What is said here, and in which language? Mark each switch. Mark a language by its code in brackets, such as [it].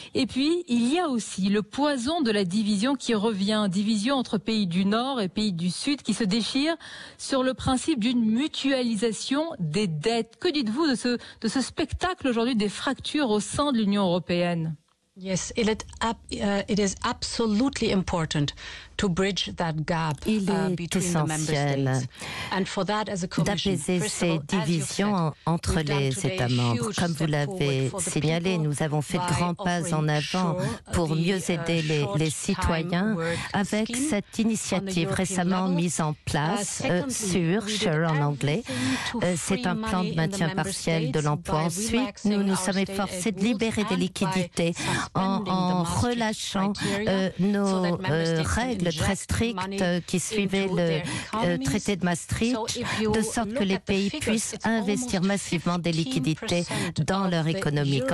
[fr] Et puis, il y a aussi le poison de la division qui revient, division entre pays du Nord et pays du Sud qui se déchire sur le principe d'une mutualisation des dettes. Que dites-vous de ce spectacle aujourd'hui des fractures au sein de l'Union européenne ? [en] Yes, it is absolutely important to bridge that gap between the member states. [fr] D'apaiser ces divisions entre les États membres. Comme vous l'avez signalé, nous avons fait de grands pas en avant pour mieux aider les citoyens avec cette initiative récemment mise en place sur SURE en anglais. C'est un plan de maintien partiel de l'emploi. Ensuite, nous nous sommes efforcés de libérer des liquidités en relâchant nos règles très strictes qui suivaient le traité de Maastricht, de sorte que les pays puissent investir massivement des liquidités dans leur économie.